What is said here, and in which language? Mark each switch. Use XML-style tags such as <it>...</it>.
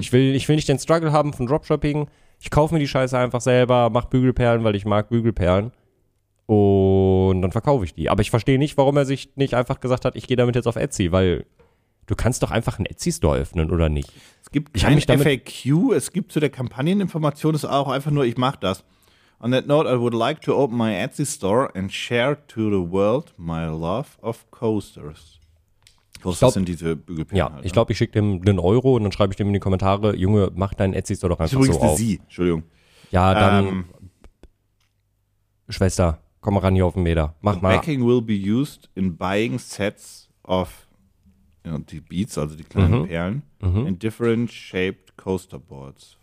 <de>Ich will nicht den Struggle haben von Dropshipping. Ich kaufe mir die Scheiße einfach selber, mach Bügelperlen, weil ich mag Bügelperlen. Und dann verkaufe ich die. Aber ich verstehe nicht, warum er sich nicht einfach gesagt hat, ich gehe damit jetzt auf Etsy, weil du kannst doch einfach einen Etsy-Store öffnen, oder nicht? Es gibt keine FAQ, es gibt zu der Kampagneninformation, ist auch einfach nur, ich mach das.</de> <en>On that note, I would like to open my Etsy store and share to the world my love of coasters.</en> <de>Das sind diese Bügelperlen. Ja, halt, ich glaube, ich schicke dem den Euro und dann schreibe ich dem in die Kommentare, Junge, mach deinen Etsy store doch einfach so auf. Übrigens sie, Entschuldigung. Ja, dann, Schwester, komm mal ran hier auf den Meter, mach mal.</de> <en>Backing will be used in buying sets of, you know,</en> <de>die Beads, also die kleinen Perlen,</de> <en>in different shaped coaster boards.</en>